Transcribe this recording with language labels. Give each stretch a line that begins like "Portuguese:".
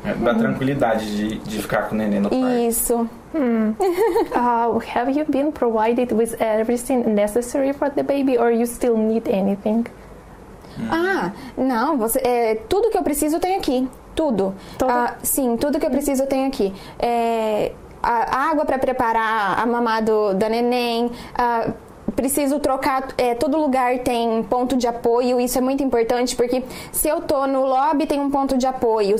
Portuguese: É, dá tranquilidade de ficar com o neném no quarto. Isso.
English: Have you been provided with everything necessary for the baby or you still need anything?
Portuguese: Ah, não, tudo que eu preciso eu tenho aqui. Tudo. Sim, tudo que eu preciso eu tenho aqui. A água para preparar a mamada da neném. Preciso trocar. Todo lugar tem ponto de apoio. Isso é muito importante, porque se eu tô no lobby, tem um ponto de apoio.